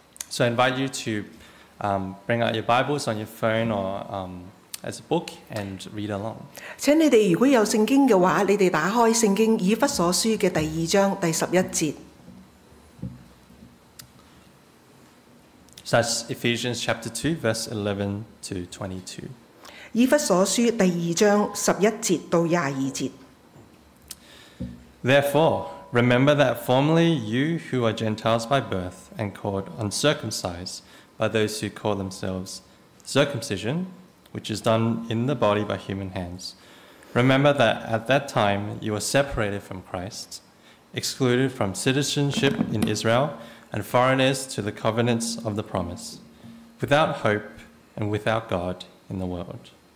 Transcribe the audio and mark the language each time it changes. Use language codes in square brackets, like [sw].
[en] So I invite you to bring out your Bibles on your phone or as a book and read along. [yue] 请你哋如果有圣经嘅话，你哋打开圣经以弗所书嘅第二章第十一节。 [en] So that's Ephesians chapter 2, verse 11 to 22. [yue] 以弗所书第二章十一节到廿二节。 [en] Therefore, remember that formerly you who are Gentiles by birth and called uncircumcised by those who call themselves circumcision, which is done in the body by human hands. Remember that at that time you were separated from Christ, excluded from citizenship in Israel, and foreigners to the covenants of the promise, without hope and without God in the world.